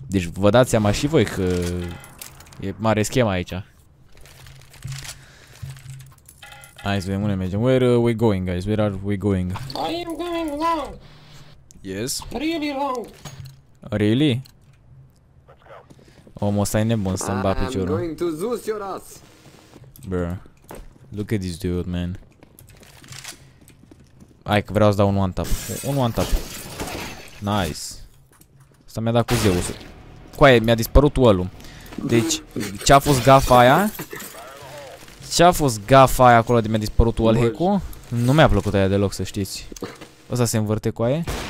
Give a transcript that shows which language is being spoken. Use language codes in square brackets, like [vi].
[ro] Deci vă dați seama și voi că e mare schema aici. Hai să vedem unde mergem. [en] Where are we going, guys? Where are we going? I am going long. Yes. Really long. Really? [ro] Omul ăsta e nebun, să-mi bat piciorul. [en] I am going to Zeus, your ass. Bro, look at this dude, man. [ro] Hai că vreau să dau un one-tap. Un one-tap. Nice. Asta mi-a dat cu Zeus. Cu aia mi-a dispărut oalul. Deci, ce-a fost gafa aia? Ce-a fost gafa aia acolo de mi-a dispărut wallhack-ul? Nu mi-a plăcut aia deloc, să știți. Ăsta se învârte cu aia.